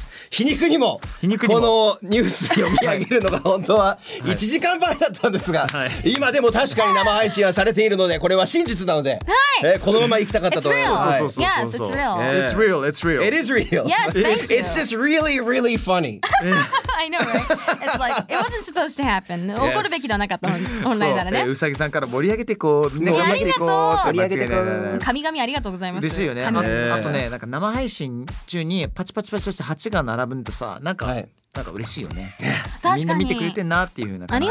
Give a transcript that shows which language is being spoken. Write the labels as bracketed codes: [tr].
[ja] 皮肉にも このニュース読み上げるのが本当は1時間前だったんですが、はい、今でも確かに生配信はされているのでこれは真実なので、はい、このまま行きたかったと思います。 [en] It's real. Yes, it's real. It's real. It's real. It is real. Yes, thank you. It's just really, really funny. I know, right? It's like, it wasn't supposed to happen. [ja] 起こるべきではなかった、本来ならね。うさぎさんから盛り上げていこう、みんな盛り上げていこう、盛り上げていこう、神々ありがとうございます。嬉しいよね。あとね、なんか生配信中にパチパチパチパチ8が並ぶとさ、なんか、はい、なんか嬉しいよね。確かにみんな見てくれてんなっていう風な感じ。